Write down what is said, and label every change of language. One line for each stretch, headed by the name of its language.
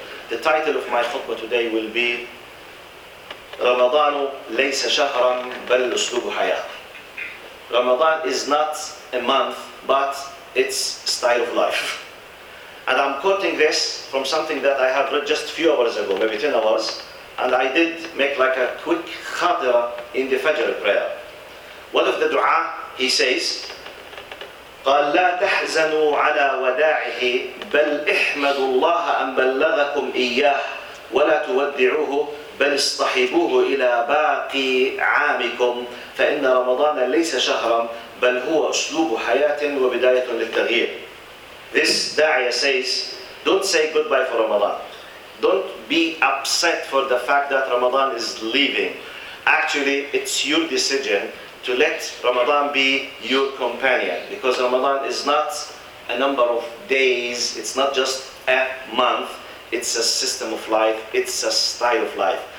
English: The title of my khutbah today will be
Arabic: رمضان ليس شهرا بل أسلوب حياة.
English: Ramadan is not a month, but it's style of life. And I'm quoting this from something that I have read just a few hours ago, maybe 10 hours, and I did make like a quick khatira in the Fajr prayer. One of the dua, he says,
Arabic: قال لا تحزنوا على وداعه بل احمدوا الله أن بلغكم إياه ولا تودعوه بل اصطحبوه إلى باقي عامكم فإن رمضان ليس شهرا بل هو أسلوب حياة وبداية للتغيير.
English: This da'iyah says, don't say goodbye for Ramadan. Don't be upset for the fact that Ramadan is leaving. Actually, it's your decision to let Ramadan be your companion, because Ramadan is not a number of days, it's not just a month, it's a system of life, it's a style of life.